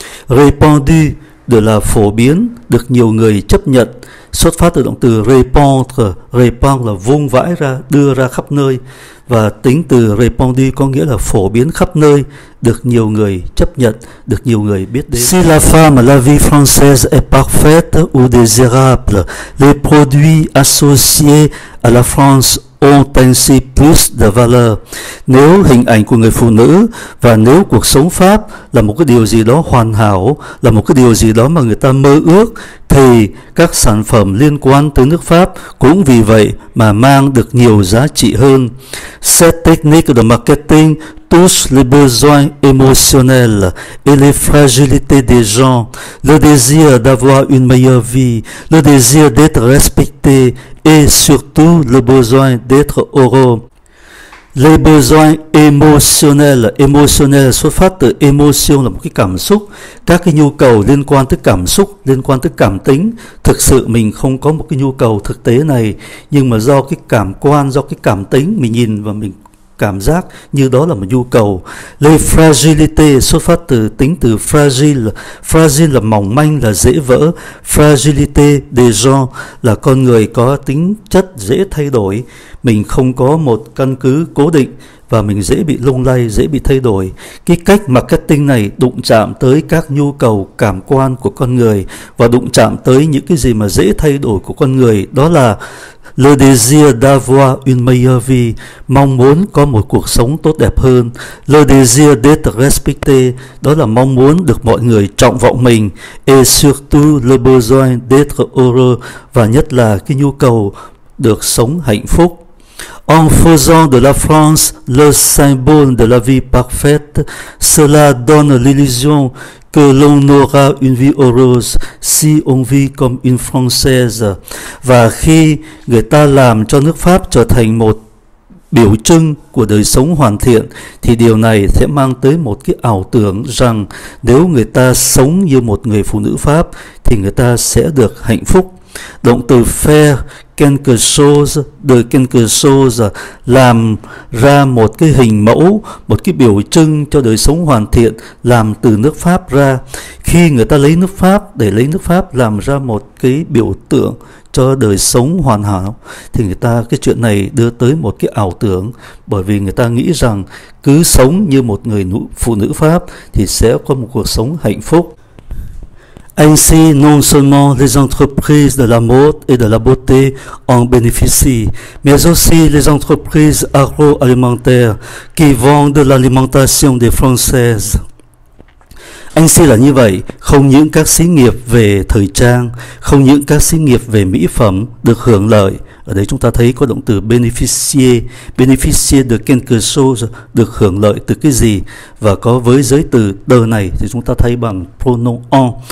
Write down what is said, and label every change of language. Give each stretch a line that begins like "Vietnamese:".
Vietnamese: Répandu, được là phổ biến, được nhiều người chấp nhận, xuất phát từ động từ répandre, répandre là vung vãi ra, đưa ra khắp nơi, và tính từ répandu có nghĩa là phổ biến khắp nơi, được nhiều người chấp nhận, được nhiều người biết đến.
French: Si la femme, la vie française est parfaite ou désirable, les produits associés à la France ont ainsi plus de valeur.
Vietnamese: Nếu hình ảnh của người phụ nữ và nếu cuộc sống Pháp là một cái điều gì đó hoàn hảo, là một cái điều gì đó mà người ta mơ ước, thì các sản phẩm liên quan tới nước Pháp cũng vì vậy mà mang được nhiều giá trị hơn.
French: Cette technique de marketing touche les besoins émotionnels et les fragilités des gens, le désir d'avoir une meilleure vie, le désir d'être respecté et surtout le besoin d'être heureux. Les besoins émotionnels,
Vietnamese: émotionnels, xuất phát từ émotion là một cái cảm xúc, các cái nhu cầu liên quan tới cảm xúc, liên quan tới cảm tính. Thực sự mình không có một cái nhu cầu thực tế này, nhưng mà do cái cảm quan, do cái cảm tính, mình nhìn và mình cảm giác như đó là một nhu cầu. Le fragilité xuất phát từ tính từ fragile. Fragile là mỏng manh, là dễ vỡ.
French: Fragilité des gens
Vietnamese: là con người có tính chất dễ thay đổi. Mình không có một căn cứ cố định và mình dễ bị lung lay, dễ bị thay đổi. Cái cách marketing này đụng chạm tới các nhu cầu cảm quan của con người và đụng chạm tới những cái gì mà dễ thay đổi của con người, đó là
French: le désir d'avoir une meilleure vie,
Vietnamese: mong muốn có một cuộc sống tốt đẹp hơn.
French: Le désir d'être respecté,
Vietnamese: đó là mong muốn được mọi người trọng vọng mình.
French: Et surtout le besoin d'être heureux,
Vietnamese: và nhất là cái nhu cầu được sống hạnh phúc.
French: En faisant de la France le symbole de la vie parfaite, cela donne l'illusion que l'on aura une vie heureuse si on vit comme une Française.
Vietnamese: Và khi người ta làm cho nước Pháp trở thành một biểu trưng của đời sống hoàn thiện, thì điều này sẽ mang tới một cái ảo tưởng rằng nếu người ta sống như một người phụ nữ Pháp thì người ta sẽ được hạnh phúc. Động từ
French: faire quelque chose, de quelque chose,
Vietnamese: làm ra một cái hình mẫu, một cái biểu trưng cho đời sống hoàn thiện, làm từ nước Pháp ra. Khi người ta lấy nước Pháp, để lấy nước Pháp làm ra một cái biểu tượng cho đời sống hoàn hảo, thì người ta cái chuyện này đưa tới một cái ảo tưởng, bởi vì người ta nghĩ rằng cứ sống như một người phụ nữ Pháp thì sẽ có một cuộc sống hạnh phúc.
French: Ainsi, non seulement les entreprises de la mode et de la beauté en bénéficient, mais aussi les entreprises agroalimentaires qui vendent l'alimentation des Françaises.
Vietnamese: Ainsi là như vậy, không những các xí nghiệp về thời trang, không những các xí nghiệp về mỹ phẩm được hưởng lợi. Ở đây chúng ta thấy có động từ bénéficier,
French: bénéficier de quelque chose,
Vietnamese: được hưởng lợi từ cái gì. Và có với giới từ de này thì chúng ta thấy bằng pronom en.